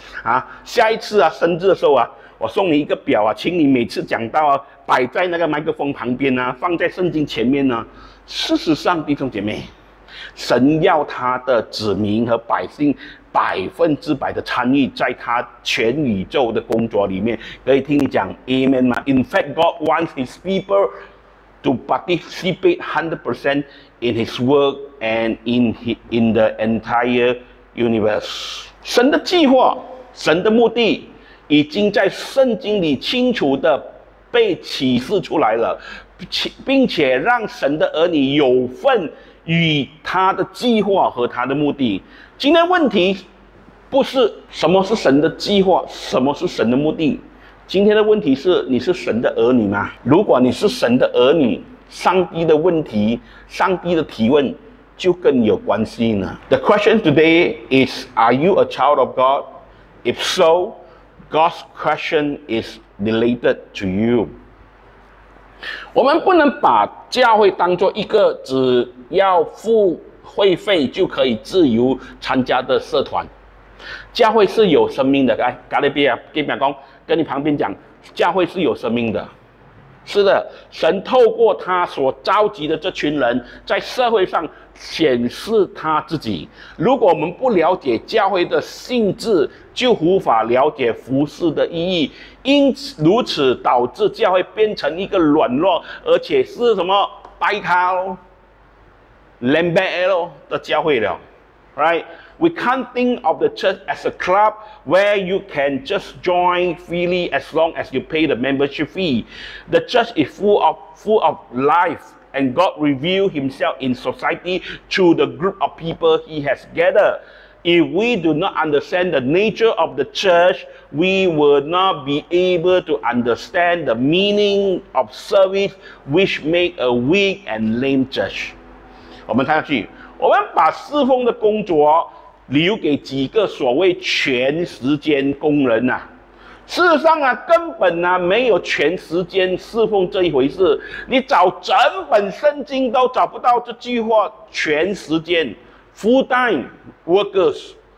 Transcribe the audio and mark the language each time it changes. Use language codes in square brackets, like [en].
[zh] 啊，下一次啊，生日的时候啊，我送你一个表啊，请你每次讲到啊，摆在那个麦克风旁边啊，放在圣经前面呢、啊。事实上，弟兄姐妹，神要他的子民和百姓百分之百的参与在他全宇宙的工作里面，可以听你讲 Amen 吗？ [en] In fact, God wants his people to participate 100% in his workand in the entire universe. [zh] 神的计划，神的目的已经在圣经里清楚地被启示出来了，并且让神的儿女有份与他的计划和他的目的。今天问题不是什么是神的计划，什么是神的目的，今天的问题是，你是神的儿女吗？如果你是神的儿女，上帝的问题，上帝的提问就更有关系呢。 [en] The question today is, are you a child of God? If so, God's question is related to you. [zh] 我们不能把教会当作一个只要付会费就可以自由参加的社团。教会是有生命的。哎，加利比亚，跟你旁边讲，教会是有生命的。是的，神透过他所召集的这群人在社会上显示他自己。如果我们不了解教会的性质，就无法了解服事的意义，因此如此导致教会变成一个软弱而且是什么拜他咯 Lambert 的教会了。 [en] Right? We can't think of the church as a club where you can just join freely as long as you pay the membership fee. The church is full of life, and God reveals himself in society through the group of people he has gathered. If we do not understand the nature of the church, we will not be able to understand the meaning of service which makes a weak and lame church. [zh] 我们看下去，我们把侍奉的工作留给几个所谓全时间工人啊。事实上啊，根本啊没有全时间侍奉这一回事。你找整本圣经都找不到这句话全时间 , [en] full time workers。